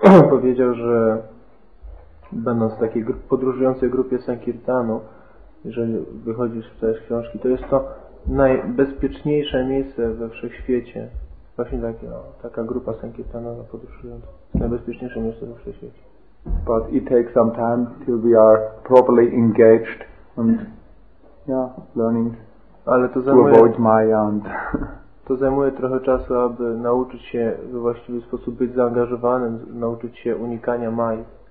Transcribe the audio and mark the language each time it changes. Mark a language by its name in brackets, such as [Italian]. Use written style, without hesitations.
[Polish] Powiedział, że będąc w takiej podróżującej grupie sankirtanu, jeżeli wychodzisz w te książki, to jest to najbezpieczniejsze miejsce we wszechświecie. Właśnie takie, no, taka grupa sankirtanowa podróżująca. Najbezpieczniejsze miejsce we wszechświecie. [English] But it takes some time till we are properly engaged and learning to avoid Maya. [Polish] To zajmuje trochę czasu, aby nauczyć się w właściwy sposób być zaangażowanym, nauczyć się unikania Mai.